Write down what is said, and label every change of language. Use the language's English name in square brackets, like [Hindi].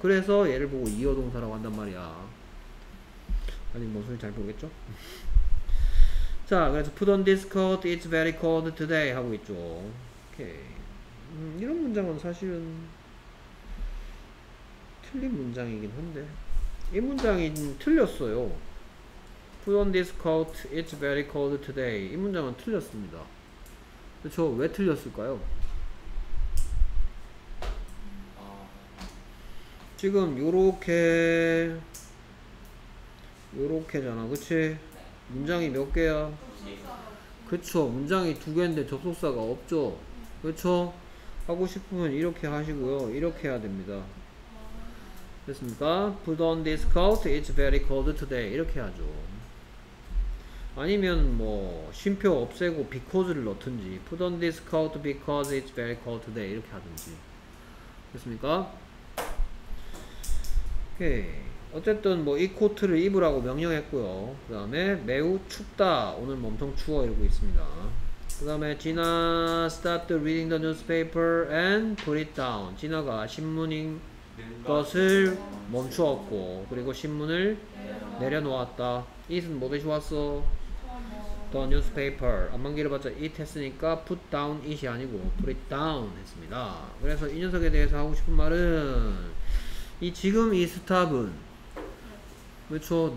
[Korean] 그래서 얘를 보고 이어 동사라고 한단 말이야. 아니 뭔 소리 잘 모르겠죠? 자 그래서 [English] put on this coat, it's very cold today [Korean] 하고 있죠. 오케이. 이런 문장은 사실은 틀린 문장이긴 한데 이 문장이 틀렸어요. [English] Put on this coat, it's very cold today. [Korean] 이 문장은 틀렸습니다. 저 왜 틀렸을까요? 지금 요렇게 요렇게잖아 그치? 문장이 몇 개야? 그쵸. 문장이 두 개인데 접속사가 없죠. 그쵸? 하고 싶으면 이렇게 하시고요. 이렇게 해야 됩니다. 됐습니까? [English] Put on this coat, it's very cold today. [Korean] 이렇게 하죠. 아니면 뭐 쉼표 없애고 because를 넣든지 [English] put on this coat because it's very cold today [Korean] 이렇게 하든지. 됐습니까? 오케이. 어쨌든 뭐 이 코트를 입으라고 명령했고요. 그 다음에 매우 춥다. 오늘 뭐 엄청 추워 이러고 있습니다. 그 다음에 [English] Gina stopped reading the newspaper and put it down. [Korean] Gina가 신문인 것을 멈추었고 그리고 신문을 내려놓았다. It은 뭐 대신 왔어? [English] The newspaper. [Korean] 안만 길어봤자 it 했으니까 [English] put down it [Korean] 이 아니고 [English] put it down [Korean] 했습니다. 그래서 이 녀석에 대해서 하고 싶은 말은 이 지금 이 stop은 그쵸?